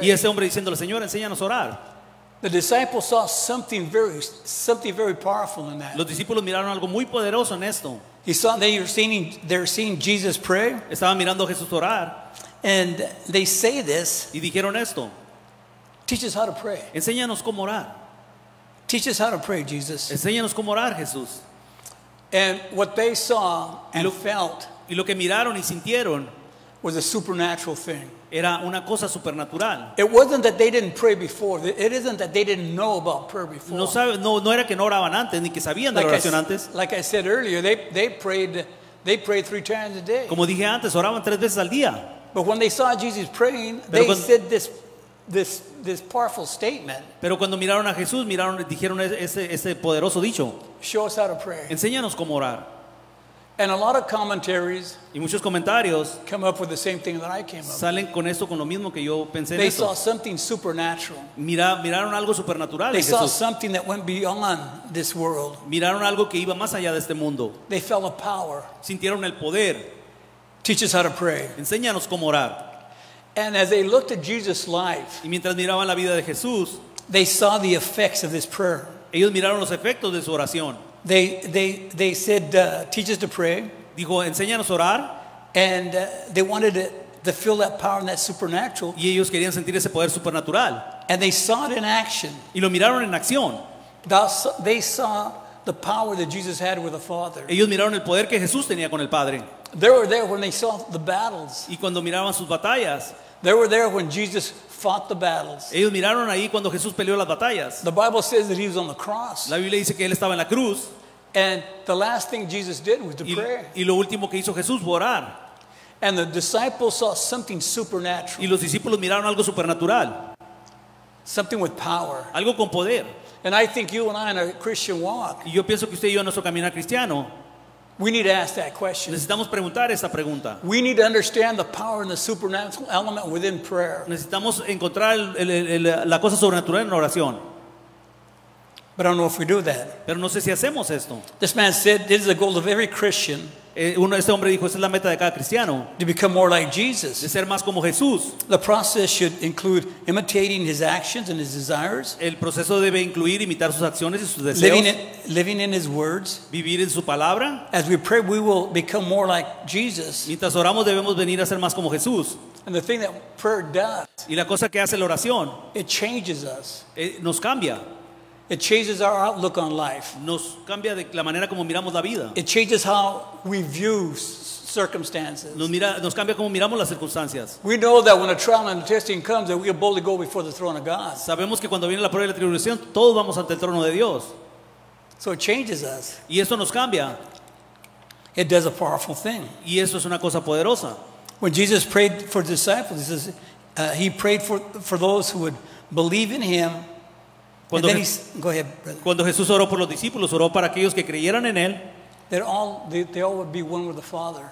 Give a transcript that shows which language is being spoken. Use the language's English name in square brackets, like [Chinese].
[Spanish] Y ese hombre diciéndole, "Señor, enséñanos a orar." [English] The disciples saw something very powerful in that. [Spanish] Los discípulos miraron algo muy poderoso en esto. [English] They're seeing Jesus pray. [Spanish] Estaban mirando a Jesús orar. [English] And they say this. [Spanish] Y dijeron esto. [English] Teach us how to pray. [Spanish] Enséñanos cómo orar. [English] Teach us how to pray, Jesus. [Spanish] Enséñanos cómo orar, Jesús. [English] And what they saw and felt. [Spanish] Y lo que miraron y sintieron. [English] was a supernatural thing. [Spanish] Era una cosa supernatural. [English] It wasn't that they didn't pray before. It isn't that they didn't know about prayer before. [Spanish] No sabe, no era que no oraban antes ni que sabían de la oración antes. [English] Like I said earlier, they prayed three times a day. [Spanish] Como dije antes, oraban tres veces al día. [English] But when they saw Jesus praying, they said this powerful statement. [Spanish] Pero cuando miraron a Jesús, miraron, dijeron ese poderoso dicho. [English] Show us how to pray. [Spanish] Enséñanos cómo orar. [English] And a lot of commentaries [Spanish] y muchos comentarios [English] come up with the same thing that I came up. [Spanish] Salen con esto, con lo mismo que yo pensé. [English] They [Spanish] en [English] saw something supernatural. [Spanish] Miraron algo supernatural. [English] They [Spanish] en [English] saw [Spanish] Jesús. [English] Something that went beyond this world. [Spanish] Miraron algo que iba más allá de este mundo. [English] They felt a power. [Spanish] Sintieron el poder. [English] Teach us how to pray. [Spanish] Enséñanos cómo orar. [English] And as they looked at Jesus' life, [Spanish] y mientras miraban la vida de Jesús, [English] they saw the effects of this prayer. [Spanish] Ellos miraron los efectos de su oración. [English] They said, teach us to pray. [Spanish] Dijo, enséñanos orar. [English] And they wanted to feel that power and that supernatural. [Spanish] Y ellos querían sentir ese poder supernatural. [English] And they saw it in action. [Spanish] Y lo miraron en acción. [English] They saw the power that Jesus had with the Father. [Spanish] Ellos miraron el poder que Jesús tenía con el Padre. [English] They were there when they saw the battles. [Spanish] Y cuando miraban sus batallas. [English] They were there when Jesus fought the battles. [Spanish] Ellos miraron ahí cuando Jesús peleó las batallas. [English] The Bible says that he was on the cross. [Spanish] La Biblia dice que él estaba en la cruz. [English] And the last thing Jesus did was to pray. [Spanish] Y lo último que hizo Jesús fue orar. [English] And the disciples saw something supernatural. [Spanish] Y los discípulos miraron algo supernatural. [English] Something with power. [Spanish] Algo con poder. [English] And I think you and I in a Christian walk. [Spanish] Y yo pienso que usted y yo en nuestro caminar cristiano. [English] We need to ask that question. [Spanish] Necesitamos preguntar esa pregunta. [English] We need to understand the power and the supernatural element within prayer. [Spanish] Necesitamos encontrar la cosa sobrenatural en oración. [English] But I don't know if we do that. [Spanish] Pero no sé si hacemos esto. [English] This man said, "This is the goal of every Christian." [Spanish] Este hombre dijo, "Esa es la meta de cada cristiano." [English] To become more like Jesus. [Spanish] De ser más como Jesús. [English] The process should include imitating his actions and his desires. [Spanish] El proceso debe incluir imitar sus acciones y sus deseos. [English] Living in his words. [Spanish] Vivir en su palabra. [English] As we pray, we will become more like Jesus. [Spanish] Mientras oramos, debemos venir a ser más como Jesús. [English] And the thing that prayer does. [Spanish] Y la cosa que hace la oración. [English] It changes us. [Spanish] Nos cambia. [English] It changes our outlook on life. [Spanish] Nos cambia de la manera como miramos la vida. [English] It changes how we view circumstances. [Spanish] Nos cambia como miramos las circunstancias. [English] We know that when a trial and a testing comes, that we are boldly go before the throne of God. [Spanish] Sabemos que cuando viene la prueba y la tribulación, todos vamos ante el trono de Dios. [English] So it changes us. [Spanish] Y eso nos cambia. [English] It does a powerful thing. [Spanish] Y eso es una cosa poderosa. [English] When Jesus prayed for disciples, he says he prayed for those who would believe in him. [Spanish] Cuando Jesús oró por los discípulos, oró para aquellos que creyeran en él. [English] They all would be one with the Father.